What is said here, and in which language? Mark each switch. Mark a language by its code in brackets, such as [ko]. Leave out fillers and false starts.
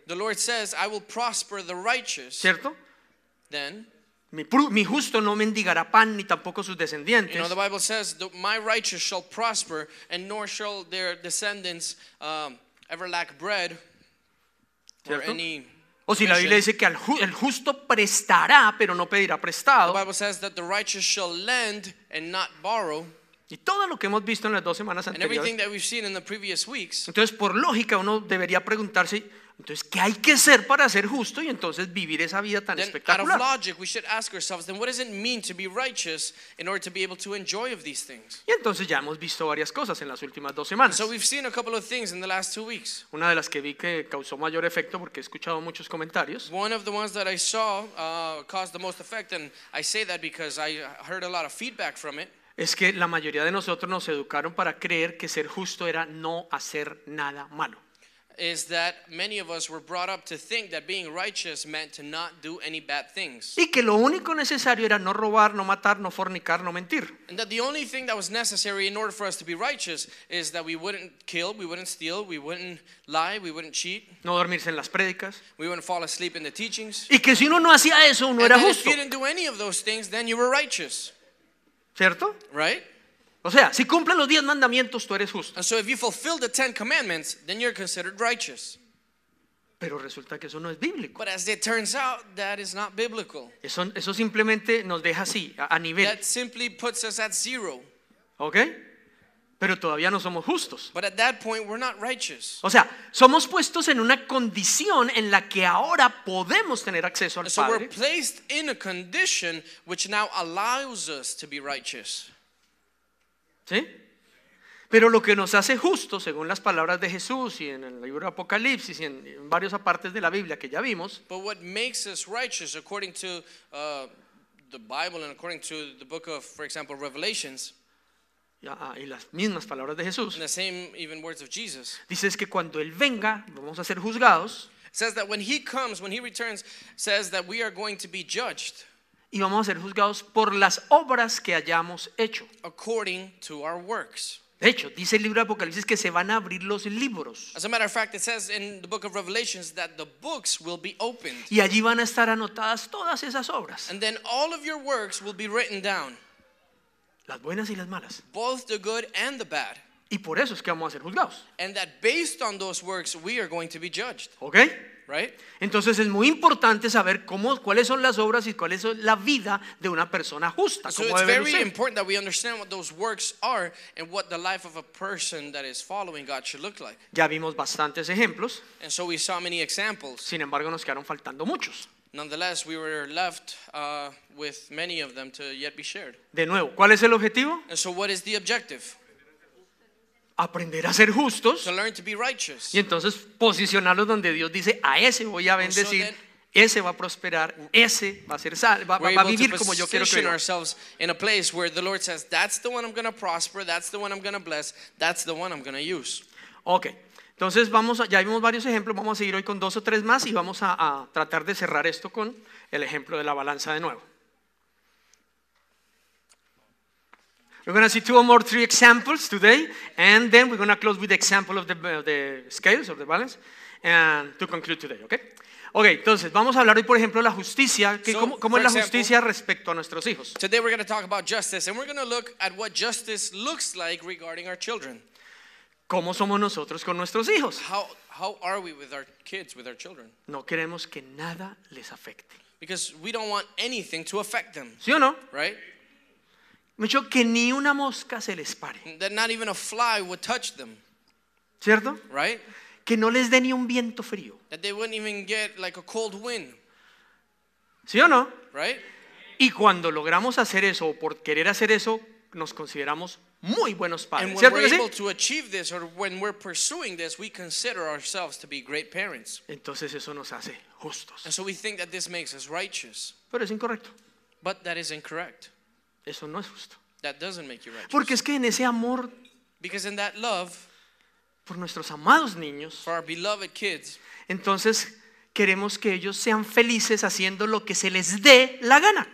[en] The Lord says, I will prosper the righteous. [es] ¿Cierto? [en] Then, [es] mi justo no mendigará pan ni tampoco sus descendientes. [en] You know, the Bible says, my righteous shall prosper and nor shall their descendants ever lack bread or any. [es] O si la Biblia dice que el justo prestará pero no pedirá prestado. [en] The Bible says that the righteous shall lend and not borrow. [es] Y todo lo que hemos visto en las dos semanas anteriores. [en] And everything that we've seen in the previous weeks. [es] Entonces, por lógica, uno debería preguntarse, entonces, ¿qué hay que hacer para ser justo y entonces vivir esa vida tan espectacular? [en] Out of logic, we should ask ourselves, then what does it mean to be righteous in order to be able to enjoy of these things? [es] Y entonces ya hemos visto varias cosas en las últimas dos semanas. [en] So we've seen a couple of things in the last two weeks. [es] Una de las que vi que causó mayor efecto porque he escuchado muchos comentarios. [en] One of the ones that I saw caused the most effect, and I say that because I heard a lot of feedback from it. [es] Es que la mayoría de nosotros nos educaron para creer que ser justo era no hacer nada malo. [en] Is that many of us were brought up to think that being righteous meant to not do any bad things. [es] Y que lo único necesario era no robar, no matar, no fornicar, no mentir. [en] And that the only thing that was necessary in order for us to be righteous is that we wouldn't kill, we wouldn't steal, we wouldn't lie, we wouldn't cheat. [es] No dormirse en las prédicas. [en] We wouldn't fall asleep in the teachings. [es] Y que si uno no hacía eso, uno era justo. [en] And if you didn't do any of those things, then you were righteous. [es] ¿Cierto? [en] Right? [es] O sea, si cumples los 10 mandamientos, tú eres justo. [en] And so if you fulfill the 10 commandments, then you're considered righteous. [es] Pero resulta que eso no es bíblico. [en] But as it turns out, that is not biblical. [es] Eso simplemente nos deja así, a nivel. [en] That simply puts us at zero. ¿Okay? [es] Pero todavía no somos justos. [en] But at that point, we're not righteous. [es] O sea, somos puestos en una condición en la que ahora podemos tener acceso al [en] so [es] Padre. [en] So we're placed in a condition which now allows us to be righteous. [es] ¿Sí? Pero lo que nos hace justos, según las palabras de Jesús y en el libro de Apocalipsis y en varias partes de la Biblia que ya vimos. [en] But what makes us righteous according to the Bible and according to the book of, for example, Revelations. [es] Y las mismas palabras de Jesús. [en] The same even words of Jesus. [es] Dice es que cuando Él venga, vamos a ser juzgados. [en] Says that when He comes, when He returns, says that we are going to be judged. [es] Y vamos a ser juzgados por las obras que hayamos hecho. [en] According to our works. [es] De hecho, dice el libro de Apocalipsis que se van a abrir los libros. [en] As a matter of fact, it says in the book of Revelations that the books will be opened. [es] Y allí van a estar anotadas todas esas obras. [en] And then all of your works will be written down. [es] Las buenas y las malas. [en] Both the good and the bad. [es] Y por eso es que vamos a ser juzgados. [en] And that based on those works, we are going to be judged. Okay. Right? [es] Entonces es muy importante saber cuáles son las obras y cuál es la vida de una persona justa. [en] So it's very important that we understand what those works are and what the life of a person that is following God should look like. [es] Ya vimos bastantes ejemplos. [en] And so we saw many examples. [es] Sin embargo, nos quedaron faltando muchos. [en] Nonetheless, we were left with many of them to yet be shared. [es] De nuevo, ¿cuál es el objetivo? [en] And so what is the objective? [es] Aprender a ser justos. [en] To learn to be righteous. [es] Y entonces posicionarlos donde Dios dice, a ese voy a bendecir, [en] so [es] ese va a prosperar, ese va a ser va a vivir como yo quiero. [en] Position ourselves in a place where the Lord says, that's the one I'm going to prosper, that's the one I'm going to bless, that's the one I'm going to use. Okay. [es] Entonces ya vimos varios ejemplos, vamos a seguir hoy con dos o tres más y vamos a tratar de cerrar esto con el ejemplo de la balanza de nuevo. [en] We're going to see two or more, three examples today, and then we're going to close with the example of the scales of the balance, and to conclude today, okay? [es] Okay, entonces vamos a hablar hoy, por ejemplo, de la justicia. ¿Cómo es la justicia respecto a nuestros hijos? [en] Today we're going to talk about justice, and we're going to look at what justice looks like regarding our children. [es] ¿Cómo somos nosotros con nuestros hijos? [en] How are we with our kids, with our children? [es] No queremos que nada les afecte. [en] Because we don't want anything to affect them. [es] ¿Sí o no? [en] Right? [es] Mucho que ni una mosca se les pare. [en] That not even a fly would touch them. [es] ¿Cierto? [en] Right? [es] Que no les dé ni un viento frío. [en] That they wouldn't even get like a cold wind. [es] ¿Sí o no? [en] Right? [es] Y cuando logramos hacer eso o por querer hacer eso, nos consideramos muy buenos padres. [en] And when we're [es] sí? [en] able to achieve this, or when we're pursuing this, we consider ourselves to be great parents. [es] Entonces eso nos hace justos. [en] And so we think that this makes us righteous. [es] Pero es incorrecto. [en] But that is incorrect. [es] Eso no es justo. [en] That doesn't make you righteous. [es] Porque es que en ese amor [en] Because in that love, [es] por nuestros amados niños, [en] for our beloved kids, [es] entonces queremos que ellos sean felices haciendo lo que se les dé la gana.